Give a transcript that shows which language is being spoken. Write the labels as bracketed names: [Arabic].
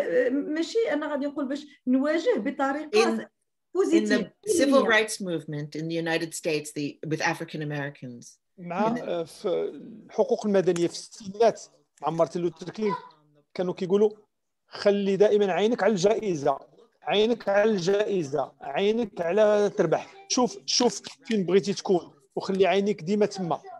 [Arabic] ماشي انا غادي نقول باش نواجه بطريقه [English] Positive. In the civil rights movement in the United States with African Americans [Arabic] مع في الحقوق المدنية في الستينات مع مارتن لوثر كينغ كانوا كيقولوا خلي دائما عينك على الجائزة, عينك على الجائزة, عينك على تربح, شوف فين بغيتي تكون وخلي عينك ديما تما,